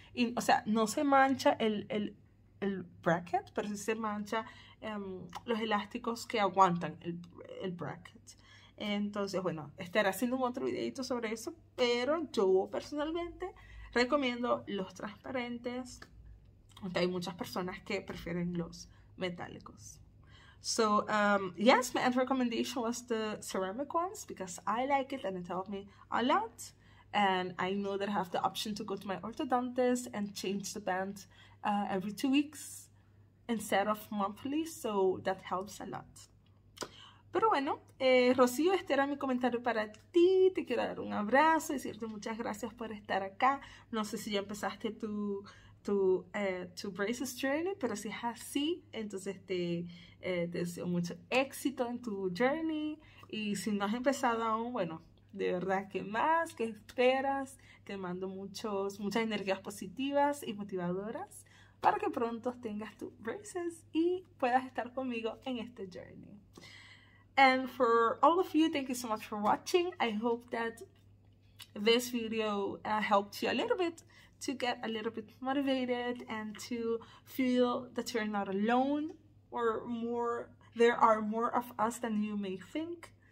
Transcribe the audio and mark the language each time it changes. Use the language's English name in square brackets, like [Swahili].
[Spanish] Y, o sea, no se mancha el bracket, pero sí se mancha los elásticos que aguantan el bracket. Entonces, bueno, estaré haciendo un otro videito sobre eso, pero yo personalmente recomiendo los transparentes, aunque hay muchas personas que prefieren los metálicos. [English] So, yes, my end recommendation was the ceramic ones because I like it and it helped me a lot. And I know that I have the option to go to my orthodontist and change the band every 2 weeks instead of monthly, so that helps a lot. [Spanish] Pero bueno, Rocío, este era mi comentario para ti. Te quiero dar un abrazo y decirte muchas gracias por estar acá. No sé si ya empezaste tu braces journey, pero si es así, entonces te deseo mucho éxito en tu journey. Y si no has empezado aún, bueno, de verdad, ¿qué más? ¿Qué esperas? Te mando muchas energías positivas y motivadoras para que pronto tengas tus braces y puedas estar conmigo en este journey. [English] And for all of you, thank you so much for watching. I hope that this video helped you a little bit to get a little bit motivated and to feel that you're not alone or more, there are more of us than you may think.